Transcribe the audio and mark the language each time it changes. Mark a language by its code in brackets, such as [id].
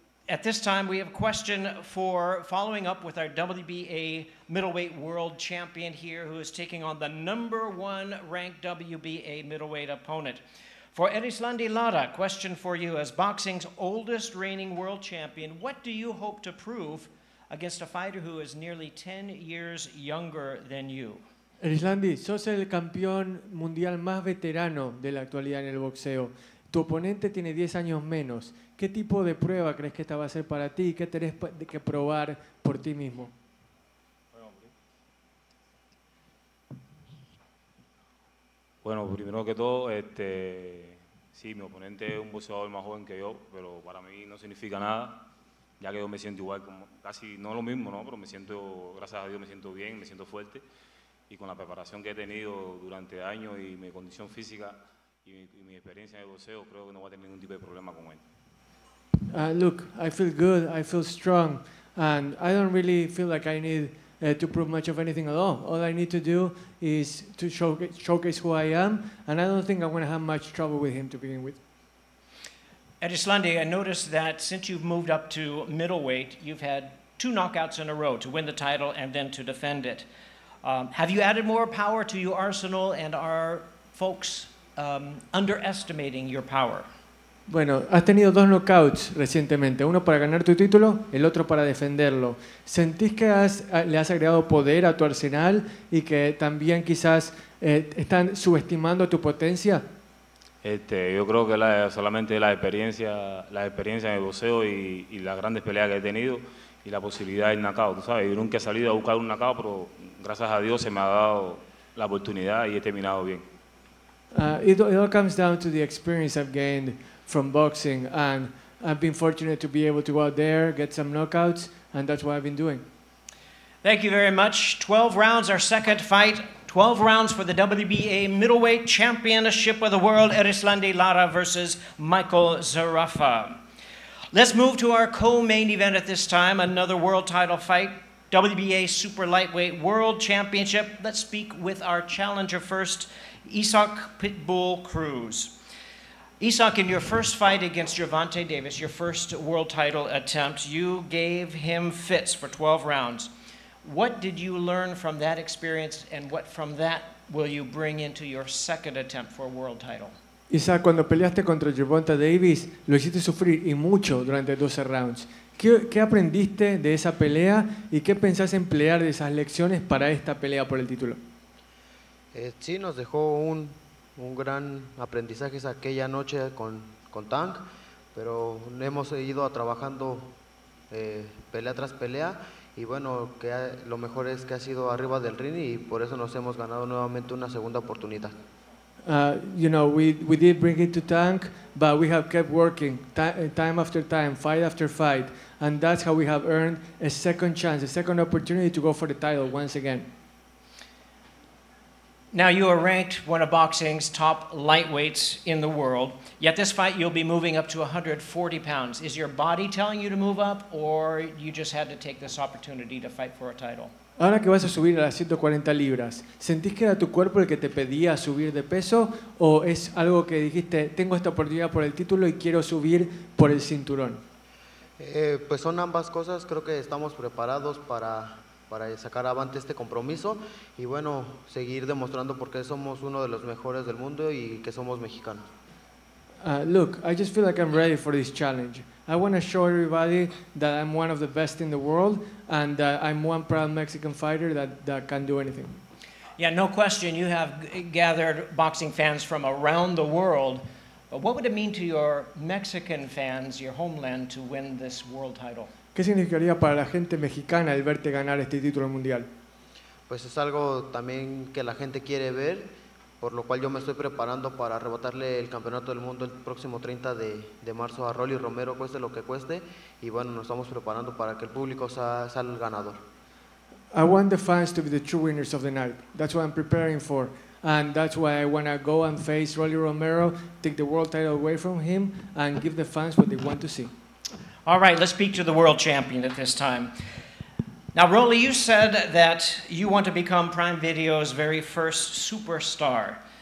[en] At this time, we have a question for following up with our WBA middleweight world champion here, who is taking on the number one ranked WBA middleweight opponent. For Erislandy Lara, question for you. As boxing's oldest reigning world champion, what do you hope to prove against a fighter who is nearly 10 years younger than you? [es] Erislandy, sos el campeón mundial más veterano de la actualidad en el boxeo. Tu oponente tiene 10 años menos. ¿Qué tipo de prueba crees que esta va a ser para ti? ¿Qué tenés que probar por ti mismo? Bueno, primero que todo, sí, mi oponente es un boxeador más joven que yo, pero para mí no significa nada, ya que yo me siento igual, como casi no lo mismo, ¿no? Pero me siento, gracias a Dios, me siento bien, me siento fuerte, y con la preparación que he tenido durante años y mi condición física y mi experiencia en el boxeo, creo que no voy a tener ningún tipo de problema con él. [en] Look, I feel good, I feel strong, and I don't really feel like I need to prove much of anything at all. All I need to do is to showcase who I am, and I don't think I'm going to have much trouble with him to begin with. Erislandy, I noticed that since you've moved up to middleweight, you've had two knockouts in a row to win the title and then to defend it. Have you added more power to your arsenal, and are folks underestimating your power? [es] Bueno, has tenido dos knockouts recientemente, uno para ganar tu título, el otro para defenderlo. ¿Sentís que le has agregado poder a tu arsenal y que también quizás están subestimando tu potencia? Yo creo que solamente la experiencia en el boxeo y las grandes peleas que he tenido y la posibilidad del knockout, tú sabes, yo nunca he salido a buscar un knockout, pero gracias a Dios se me ha dado la oportunidad y he terminado bien. [en] It all comes down to the experience I've gained from boxing, and I've been fortunate to be able to go out there, get some knockouts, and that's what I've been doing. Thank you very much. 12 rounds, our second fight. 12 rounds for the WBA middleweight championship of the world, Erislandy Lara versus Michael Zerafa. Let's move to our co-main event at this time, another world title fight, WBA super lightweight world championship. Let's speak with our challenger first, Isaac Pitbull Cruz. Isaac, in your first fight against Gervonta Davis, your first world title attempt, you gave him fits for 12 rounds. What did you learn from that experience, and what from that will you bring into your second attempt for a world title? [es] Isaac, cuando peleaste contra Gervonta Davis, lo hiciste sufrir y mucho durante 12 rounds. ¿Qué aprendiste de esa pelea y qué pensás emplear de esas lecciones para esta pelea por el título? Sí, nos dejó un gran aprendizaje esa aquella noche con Tank, pero hemos ido trabajando pelea tras pelea y bueno, que lo mejor es que ha sido arriba del ring y por eso nos hemos ganado nuevamente una segunda oportunidad. [en] You know, we did bring it to Tank, but we have kept working time after time, fight after fight, and that's how we have earned a second chance, a second opportunity to go for the title once again. Now, you are ranked one of boxing's top lightweights in the world, yet this fight you'll be moving up to 140 pounds. Is your body telling you to move up, or you just had to take this opportunity to fight for a title? [es] Ahora que vas a subir a las 140 libras, ¿sentís que era tu cuerpo el que te pedía subir de peso o es algo que dijiste, tengo esta oportunidad por el título y quiero subir por el cinturón? Pues son ambas cosas, creo que estamos preparados para sacar adelante este compromiso y bueno, seguir demostrando por qué somos uno de los mejores del mundo y que somos mexicanos. [en] Look, I just feel like I'm ready for this challenge. I want to show everybody that I'm one of the best in the world and that I'm one proud Mexican fighter that can do anything. Yeah, no question. You have gathered boxing fans from around the world. But what would it mean to your Mexican fans, your homeland, to win this world title? [es] ¿Qué significaría para la gente mexicana el verte ganar este título mundial? Pues es algo también que la gente quiere ver. Por lo cual yo me estoy preparando para arrebatarle el campeonato del mundo el próximo 30 de marzo a Rolly Romero, cueste lo que cueste, y bueno, nos estamos preparando para que el público sea el ganador. [en] I want the fans to be the true winners of the night. That's what I'm preparing for, and that's why I want to go and face Rolly Romero, take the world title away from him, and give the fans what they want to see. All right, let's speak to the world champion at this time. Now, Rolly, you said that you want to become Prime Video's very first superstar.